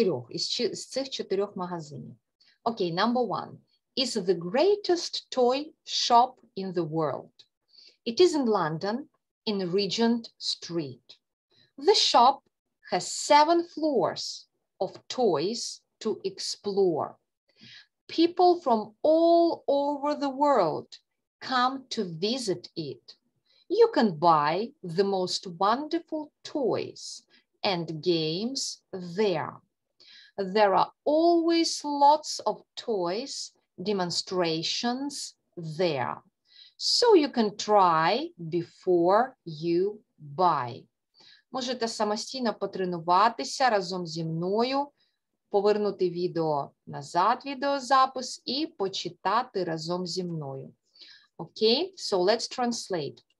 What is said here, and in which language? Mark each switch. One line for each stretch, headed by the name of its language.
Ukrainian: Із цих чотирьох магазинів.
English: Окей, okay, number one. Is the greatest toy shop in the world. It is in London. In Regent Street. The shop has 7 floors of toys to explore. People from all over the world come to visit it. You can buy the most wonderful toys and games there. There are always lots of toys demonstrations there. So you can try before you buy.
Ukrainian: Можете самостійно потренуватися разом зі мною, повернути відео назад, відеозапис, і почитати разом зі мною.
English: Окей, okay? So let's translate.